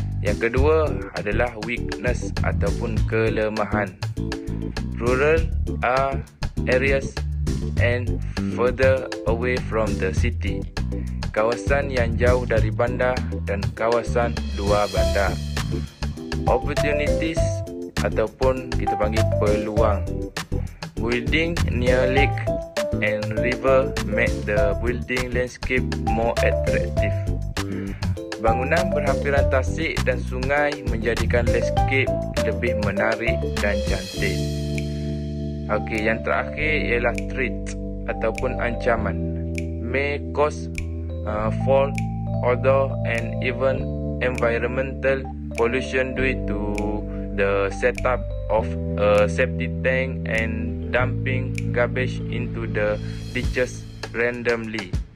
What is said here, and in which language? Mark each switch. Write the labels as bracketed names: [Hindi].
[Malay] Yang kedua adalah weakness ataupun kelemahan. [English] Rural areas and further away from the city. [Malay] kawasan yang jauh dari bandar dan kawasan luar bandar. Opportunities ataupun kita panggil peluang. [English] Building near lake and river make the building landscape more attractive. [Malay] Bangunan berhampiran tasik dan sungai menjadikan landscape lebih menarik dan cantik. Okey, yang terakhir ialah threat ataupun ancaman. [English] May cause fall, odor and even environmental pollution due to the setup of a septic tank and dumping garbage into the ditches randomly.